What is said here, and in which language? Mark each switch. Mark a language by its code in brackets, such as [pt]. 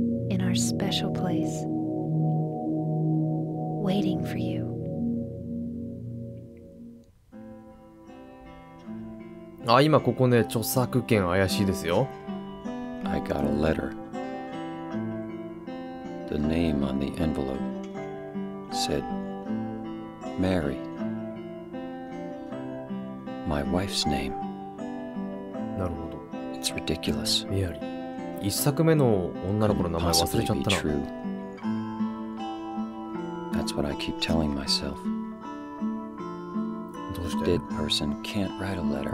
[en] In our special place. Waiting for you. [ja] あ、今ここね、著作権怪しいですよ。 [en] I got a letter. The name on the envelope said Mary. My wife's name. [ja] なるほど。 [en] It's ridiculous. [ja] メアリー。一作目の女の子の名前忘れちゃったな。 [en] What I keep telling myself. [ja] どうして? [en] A dead person can't write a letter.